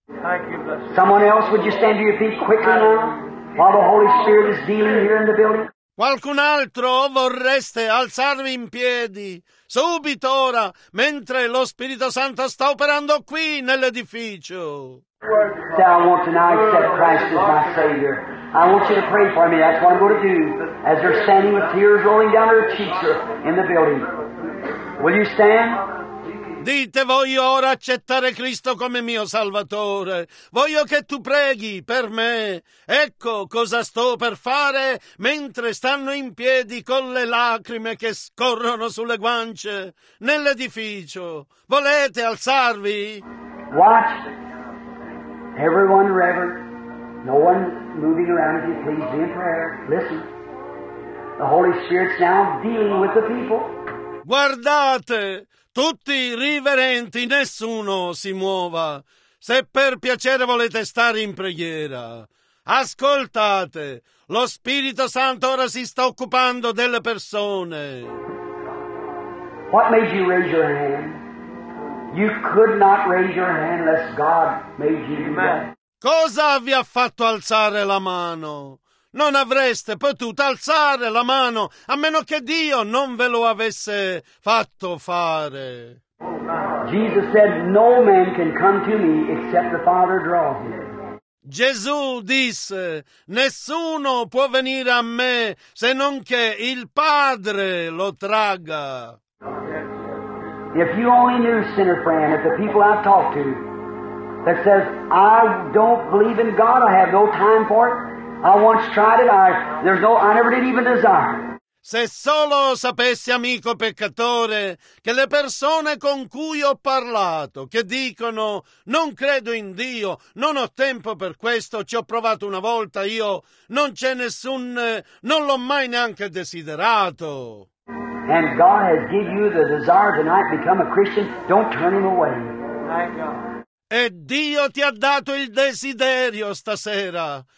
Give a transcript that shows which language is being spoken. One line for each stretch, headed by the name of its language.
English: Thank you, bless. Someone else, would you stand to your feet quickly now, while the Holy Spirit is dealing here in the building?
Italian: Qualcun altro vorreste alzarvi in piedi subito ora, mentre lo Spirito Santo sta operando qui nell'edificio?
English: Say, I want to now accept Christ as my Savior. I want you to pray for me. That's what I'm going to do. As they're standing with tears rolling down their cheeks in the building. Will you stand?
Italian: Dite, voglio ora accettare Cristo come mio Salvatore. Voglio che tu preghi per me. Ecco cosa sto per fare mentre stanno in piedi con le lacrime che scorrono sulle guance nell'edificio. Volete alzarvi?
English: Watch. Everyone reverent. No one moving around, if you please, be in prayer. Listen. The Holy Spirit's now dealing with the people.
Italian: Guardate! Tutti riverenti, nessuno si muova. Se per piacere volete stare in preghiera, ascoltate, lo Spirito Santo ora si sta occupando delle persone.
English: What made you raise your hand? You could not raise your hand unless God made you do that.
Italian: Cosa vi ha fatto alzare la mano? Non avreste potuto alzare la mano a meno che Dio non ve lo avesse fatto fare.
English: Jesus said, no man can come to me except the Father draw him.
Italian: Gesù disse, nessuno può venire a me se non che il Padre lo traga.
English: If you only knew, sinner friend, if the people I've talked to that says, I don't believe in God, I have no time for it. I once tried it, I never did even desire.
Italian: Se solo sapessi, amico peccatore, che le persone con cui ho parlato, che dicono, non credo in Dio, non ho tempo per questo, ci ho provato una volta, io non c'è nessun, non l'ho mai neanche desiderato.
English: And God has given you the desire tonight to become a Christian, don't turn him away. Thank God.
Italian: E Dio ti ha dato il desiderio stasera.